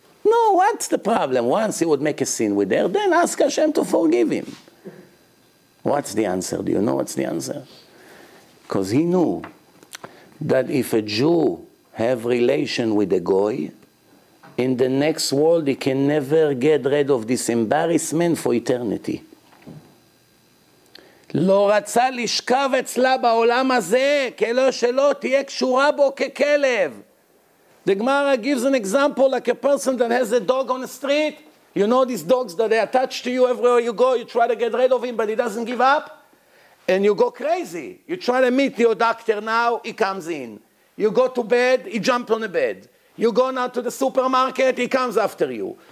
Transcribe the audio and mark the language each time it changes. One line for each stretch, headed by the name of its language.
English: No, what's the problem? Once he would make a scene with her, then ask Hashem to forgive him. What's the answer? Do you know what's the answer? Because he knew that if a Jew have relation with a goy, in the next world he can never get rid of this embarrassment for eternity.
Hebrew: לא רצה לשכב אצלה בעולם הזה, כלא שלא תהיה קשורה בו ככלב.
English: The Gemara gives an example like a person that has a dog on the street. You know these dogs that they attach to you everywhere you go, you try to get rid of him, but he doesn't give up. And you go crazy. You try to meet your doctor now, he comes in. You go to bed, he jumps on the bed. You go now to the supermarket, he comes after you.